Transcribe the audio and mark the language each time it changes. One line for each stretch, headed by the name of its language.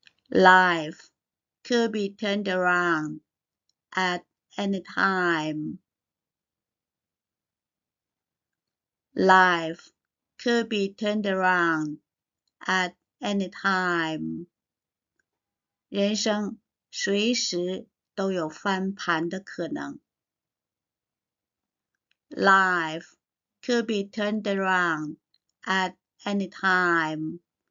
English: Life could be turned around at any time. Life could be turned around at any time.
Chinese: 人生随时都有翻盘的可能。
English: Life could be turned around at any time.